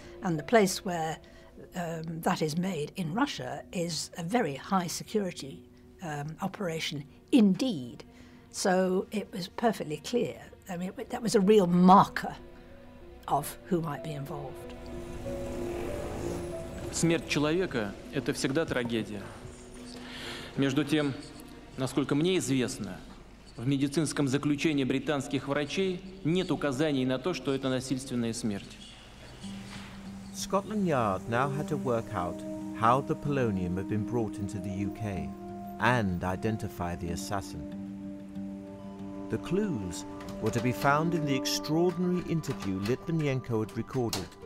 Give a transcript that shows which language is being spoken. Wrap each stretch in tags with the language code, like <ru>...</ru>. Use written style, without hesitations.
<en>And the place where that is made in Russia is a very high security operation indeed. So it was perfectly clear. I mean, that was a real marker of who might be involved.</en> <ru>Смерть человека – это всегда трагедия. Между тем, насколько мне известно, в медицинском заключении британских врачей нет указаний на то, что это насильственная смерть.</ru> <en>Scotland Yard now had to work out how the polonium had been brought into the UK and identify the assassin. The clues were to be found in the extraordinary interview Litvinenko had recorded</en>